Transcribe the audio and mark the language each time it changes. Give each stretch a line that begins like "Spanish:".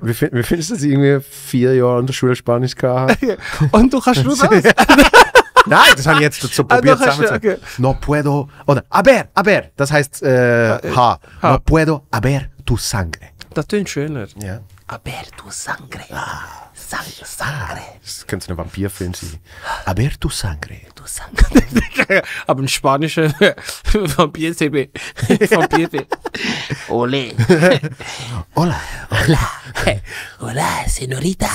German: Wie findest du, dass ich irgendwie 4 Jahre in der Schule Spanisch gehabt habe? Und du kannst nur das? Nein, das habe ich jetzt dazu probiert. Also, okay.
Spanish: No puedo.
German: Oder aber. Das heißt, ha.
Spanish: No puedo haber tu sangre.
German: Das klingt schöner. Ja. Aber
Spanish: tu sangre. Sangre.
German: Das könnte ein Vampir für ihn sein. Aber
Spanish: tu sangre. Tu sangre.
German: Aber ein spanischer Vampir-CB. Vampir-CB. Ole.
Spanish: Hola. Hola. Hola, señorita.